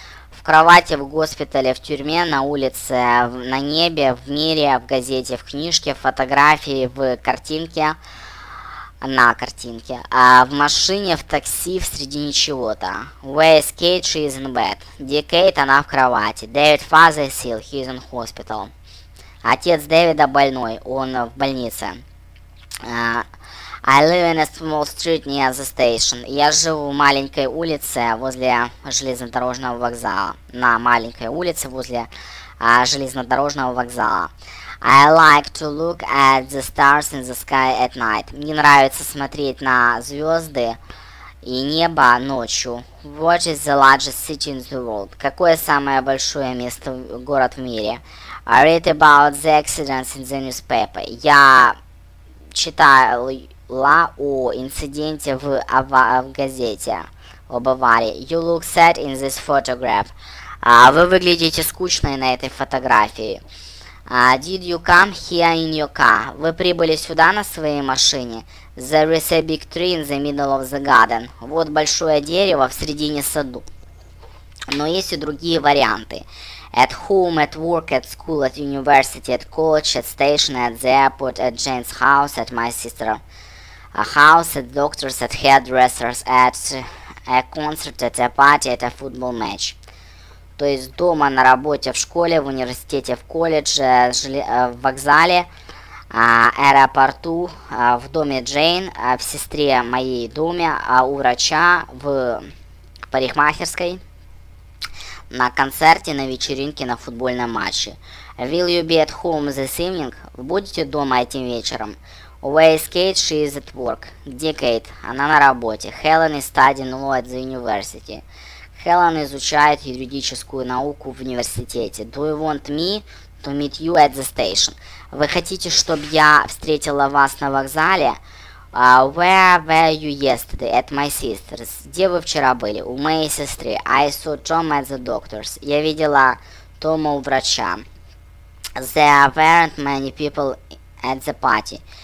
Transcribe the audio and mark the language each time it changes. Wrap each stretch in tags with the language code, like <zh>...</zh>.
<ru>В кровати, в госпитале, в тюрьме, на улице, на небе, в мире, в газете, в книжке, в фотографии, в картинке, на картинке, а в машине, в такси, в среди ничего-то.</ru> <en>Where is Kate? She is in bed.</en> <ru>Где Кейт? Она в кровати.</ru> <en>David father is ill. He is in hospital.</en> <ru>Отец Дэвида больной, он в больнице.</ru> <en>I live in a small street near the station.</en> <ru>Я живу в маленькой улице возле железнодорожного вокзала. На маленькой улице возле железнодорожного вокзала.</ru> <en>I like to look at the stars in the sky at night.</en> <ru>Мне нравится смотреть на звезды и небо ночью.</ru> <en>What is the largest city in the world?</en> <ru>Какое самое большое место, город в мире?</ru> <en>I read about the accidents in the newspaper.</en> <ru>Я читала о инциденте в газете об аварии.</ru> <en>You look sad in this photograph.</en> <ru>Вы выглядите скучно на этой фотографии.</ru> <en>Did you come here in your car?</en> <ru>Вы прибыли сюда на своей машине?</ru> <en>There is a big tree in the middle of the garden.</en> <ru>Вот большое дерево в середине саду. Но есть и другие варианты.</ru> <en>At home, at work, at school, at university, at college, at station, at the airport, at Jane's house, at my sister's house, at doctors, at hairdressers, at a concert, at a party, at a football match.</en> <ru>То есть дома, на работе, в школе, в университете, в колледже, в вокзале, аэропорту, в доме Джейн, в сестре моей доме, у врача, в парикмахерской, на концерте, на вечеринке, на футбольном матче.</ru> <en>Will you be at home this evening?</en> <ru>Вы будете дома этим вечером?</ru> <en>Where is Kate? She is at work.</en> <ru>Где Кейт? Она на работе.</ru> <en>Helen is studying law at the university.</en> <ru>Хелен изучает юридическую науку в университете.</ru> <en>Do you want me to meet you at the station?</en> <ru>Вы хотите, чтобы я встретила вас на вокзале?</ru> <en>Where were you yesterday? At my sister's.</en> <ru>Где вы вчера были? У моей сестры.</ru> <en>I saw Tom at the doctor's.</en> <ru>Я видела Тома у врача.</ru> <en>There weren't many people at the party.</en>